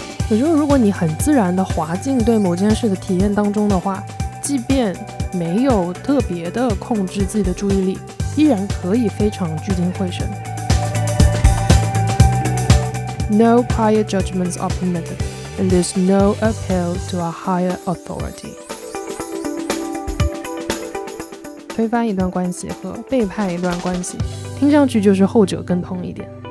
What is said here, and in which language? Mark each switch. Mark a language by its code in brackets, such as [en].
[zh] 也就是如果你很自然地滑进对某件事的体验当中的话，即便没有特别的控制自己的注意力，依然可以非常聚精会神。 [en] No prior judgments are permitted, and there's no appeal to a higher authority. [zh] 推翻一段关系和背叛一段关系，听上去就是后者更痛一点。